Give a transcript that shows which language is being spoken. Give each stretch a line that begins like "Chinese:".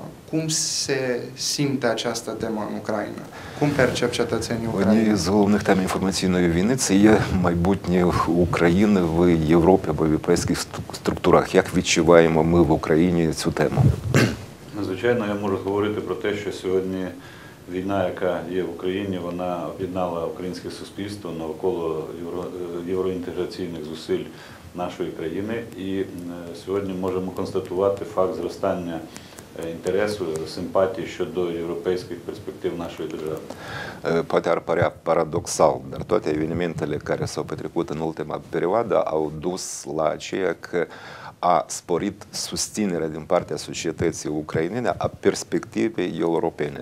Romanian: Cum se simte această temă în Ucraina? Cum percep cetățenii Ucrainei?
Ukrainian: Unii z головних тем інформаційної війни – це є майбутнє України в Європі або в європейських структурах. Як відчуваємо ми в Україні цю тему? Звичайно, я можу говорити про те, що сьогодні війна, яка є в Україні, вона об'єднала українське суспільство навколо євроінтеграційних зусиль нашої країни. І сьогодні можемо констатувати факт зростання інтересу, симпатії щодо європейських перспектив нашої держави.
Romanian: Poate ar părea paradoxal, dar toate evenimentele care s-au petrecut în ultima perioadă au dus la aceea că a sporit susținerea din partea societății ucrainene a perspectivei europene.